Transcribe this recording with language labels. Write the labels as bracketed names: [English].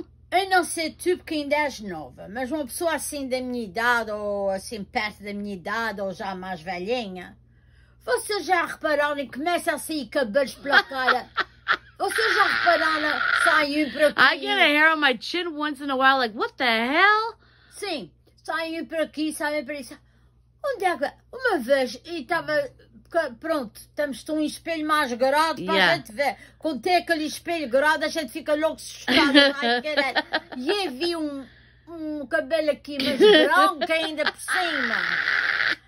[Portuguese] Eu não sei tu porque ainda és nova, mas uma pessoa assim da minha idade, ou assim perto da minha idade, ou já mais velhinha, vocês já repararam que começa a sair cabelos pela cara? Vocês já repararam que sai um por aqui? [English] I get a hair on my chin once in a while, like, what the hell? [Portuguese] Sim. Sai um por aqui, sai um por aqui. Onde é que... Uma vez, e estava... Pronto, temos um espelho mais grado para a gente ver. Quando tem aquele espelho grado, a gente fica logo assustado. E eu vi um cabelo aqui mais branco ainda por cima.